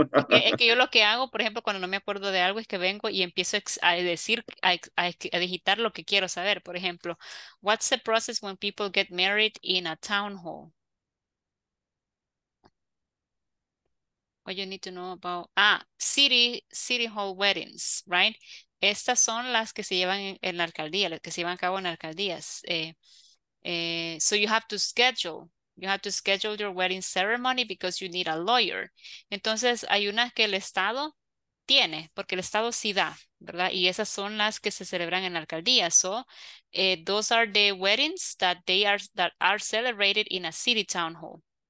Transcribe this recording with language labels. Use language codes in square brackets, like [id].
[es] Es que yo lo que hago, por ejemplo, cuando no me acuerdo de algo, es que vengo y empiezo a digitar lo que quiero saber. Por ejemplo, [en] what's the process when people get married in a town hall? What you need to know about? City hall weddings, right? [es] Estas son las que se llevan en la alcaldía, las que se llevan a cabo en alcaldías. [en] So you have to schedule. You have to schedule your wedding ceremony because you need a lawyer. [es] Entonces, hay unas que el Estado tiene, porque el Estado sí da, ¿verdad? Y esas son las que se celebran en la alcaldía. [en] So, those are the weddings that are celebrated in a city town hall.